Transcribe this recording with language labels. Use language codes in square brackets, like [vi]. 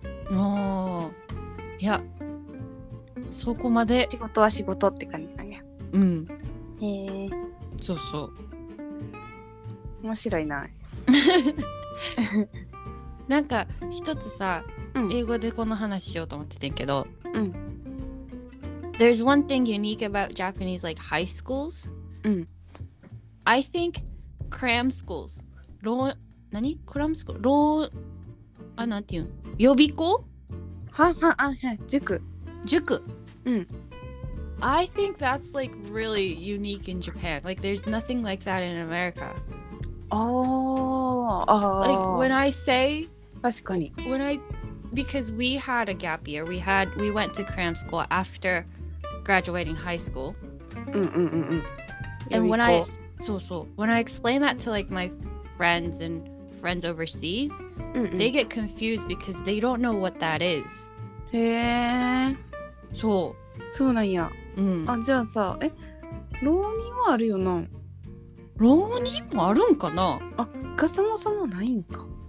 [ja] もういやそこまで仕事は仕事って感じなんや。うん。へえ。そうそう。面白いな。なんか一つさ、英語でこの話しようと思っててんけど、うん、 [en] There's one thing unique about Japanese like high schools.、 [ja] うん、 [en] I think cram schools. [ja] ロー、何？クラムスクール？ロー、あ、なんていうん？予備校？は、は、あ、はい、塾。塾。うん。 [en] I think that's like really unique in Japan. Like there's nothing like that in America. Oh, like when I say, [ja] 確かに [en] when I, because we had a gap year, we went to cram school after graduating high school. And when I, when I explain that to like my friends and friends overseas, they get confused because they don't know what that is. [ja] へー、そう、そうなんや。うん。あ、じゃあさ、え、浪人はあるよな。浪人もあるんかな。あ、がそもそもないんか。